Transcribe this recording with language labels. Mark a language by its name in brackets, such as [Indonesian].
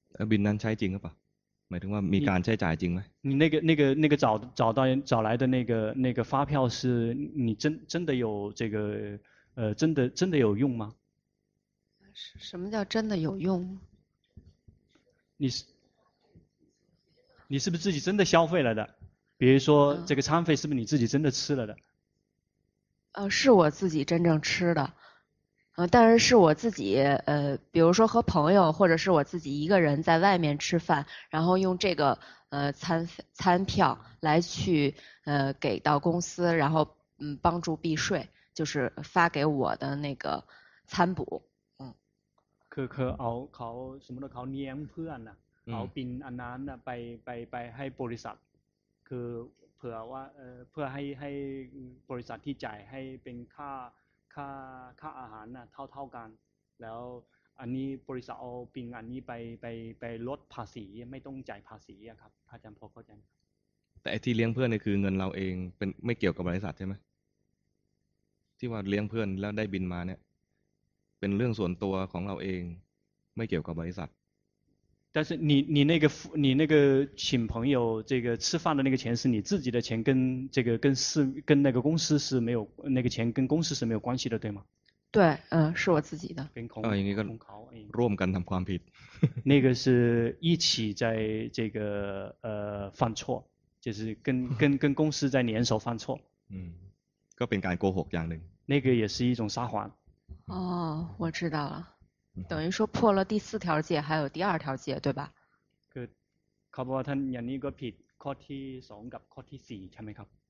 [Thai] บินนั้นใช้จริงหรือเปล่าหมายถึงว่ามีการใช้จ่ายจริงไหม [Chinese] 你那个找来的那个发票是你真的有这个真的有用吗什么叫真的有用你是不是自己真的消费了的比如说这个餐费是不是你自己真的吃了的是我自己真正吃的但是是我自己比如说和朋友或者是我自己一个人在外面吃饭然后用这个餐票来去给到公司然后帮助避税就是发给我的那个餐补 [Thai] 可เขาสมมติเขาเลี้ยงเพื่อนนะเขาบินอันนั้นไปให้บริษัทคือเพื่อให้บริษัทที่จ่ายให้เป็นค่าอาหารนะเท่ากันแล้วอันนี้บริษัทเอาปิงอันนี้ไปลดภาษีไม่ต้องจ่ายภาษีอะครับอาจารย์พอเข้าใจไห มแต่ที่เลี้ยงเพื่อนนี่คือเงินเราเองเป็นไม่เกี่ยวกับบริษัทใช่ไหมที่ว่าเลี้ยงเพื่อนแล้วได้บินมาเนี่ยเป็นเรื่องส่วนตัวของเราเองไม่เกี่ยวกับบริษัท [Chinese] 但是你那个请朋友这个吃饭的那个钱是你自己的钱跟这个跟那个公司是没有那个钱跟公司是没有关系的对吗对是我自己的 [Thai] ร่วมกันทำความผิด [Chinese] 那个是一起在这个犯错就是跟公司在联手犯错 [Thai] ก็เป็นการโกหกอย่างหนึ่ง [Chinese] 那个也是一种撒谎哦我知道了等于说破了第四条戒还有第二条戒对吧 [Thai] คือเขาบอกว่าท่านอย่างนี้ก็ผิดข้อที่สองกับข้อที่สี่ใช่ไหมครับ